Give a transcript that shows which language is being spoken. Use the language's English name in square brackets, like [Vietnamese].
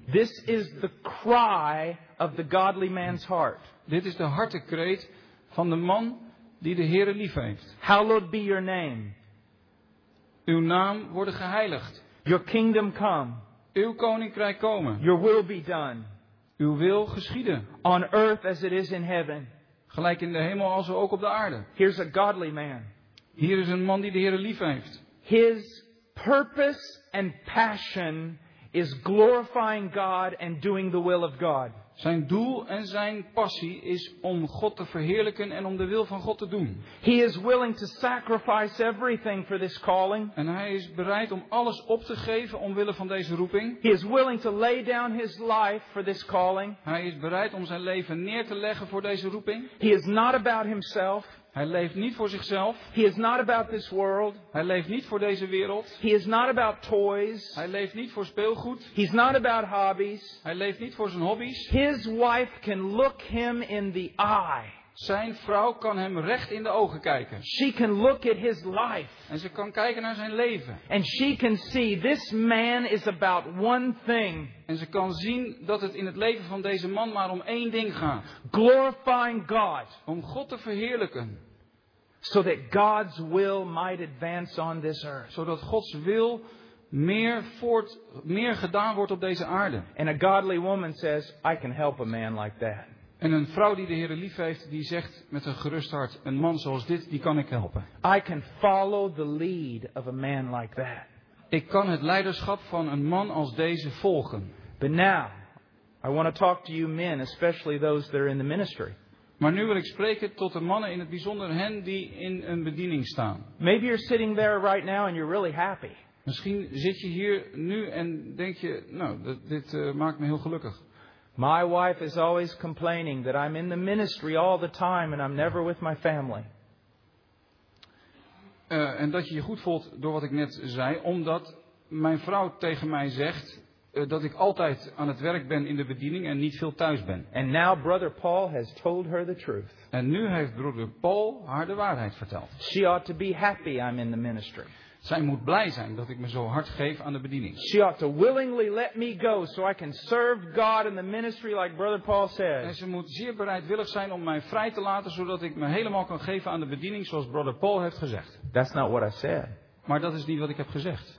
[English] This is the cry of the godly man's heart. [Dutch] Dit is de hartekreet van de man die de Heere lief heeft. [English] Hallowed be your name. [Dutch] Uw naam worden geheiligd. [English] Your kingdom come. [Dutch] Uw koninkrijk komen. [English] Your will be done. [Dutch] Uw wil geschieden. [English] On earth as it is in heaven. [Dutch] Gelijk in de hemel als ook op de aarde. [English] Here's a godly man. [Dutch] Hier is een man die de Heere lief heeft. [English] His purpose and passion is glorifying God and doing the will of God. [Dutch] Zijn doel en zijn passie is om God te verheerlijken en om de wil van God te doen. [English] He is willing to sacrifice everything for this calling. [Dutch] En hij is bereid om alles op te geven omwille van deze roeping. [English] He is willing to lay down his life for this calling. [Dutch] Hij is bereid om zijn leven neer te leggen voor deze roeping. [English] He is not about himself. [Dutch] Hij leeft niet voor zichzelf. [English] He is not about this world. [Dutch] Hij leeft niet voor deze wereld. [English] He is not about toys. [Dutch] Hij leeft niet voor speelgoed. [English] He's not about hobbies. [Dutch] Hij leeft niet voor zijn hobby's. [English] His wife can look him in the eye. [Dutch] Zijn vrouw kan hem recht in de ogen kijken. [English] She can look at his life. [Dutch] En ze kan kijken naar zijn leven. [English] And she can see this man is about one thing. [Dutch] En ze kan zien dat het in het leven van deze man maar om één ding gaat. [English] Glorifying God. [Dutch] Om God te verheerlijken. [English] So that God's will might advance on this earth. [Dutch] Zodat Gods wil meer gedaan wordt op deze aarde. [English] And a godly woman says, I can help a man like that. [Dutch] En een vrouw die de Heere lief heeft, die zegt met een gerust hart, een man zoals dit, die kan ik helpen. [English] I can follow the lead of a man like that. [Dutch] Ik kan het leiderschap van een man als deze volgen. [English] But now, I want to talk to you men, especially those that are in the ministry. [Dutch] Maar nu wil ik spreken tot de mannen, in het bijzonder hen die in een bediening staan. [English] Maybe you're sitting there right now and you're really happy. [Dutch] Misschien zit je hier nu en denk je, nou, dit maakt me heel gelukkig. [English] My wife is always complaining that I'm in the ministry all the time and I'm never with my family. [Dutch] En dat je je goed voelt door wat ik net zei, omdat mijn vrouw tegen mij zegt dat ik altijd aan het werk ben in de bediening en niet veel thuis ben. [English] And now brother Paul has told her the truth. [Dutch] En nu heeft broeder Paul haar de waarheid verteld. [English] She ought to be happy I'm in the ministry. [Dutch] Zij moet blij zijn dat ik me zo hard geef aan de bediening. [English] She ought to willingly let me go so I can serve God in the ministry like brother Paul says. [Dutch] En ze moet zeer bereidwillig zijn om mij vrij te laten zodat ik me helemaal kan geven aan de bediening zoals brother Paul heeft gezegd. [English] That's not what I said. [Dutch] Maar dat is niet wat ik heb gezegd.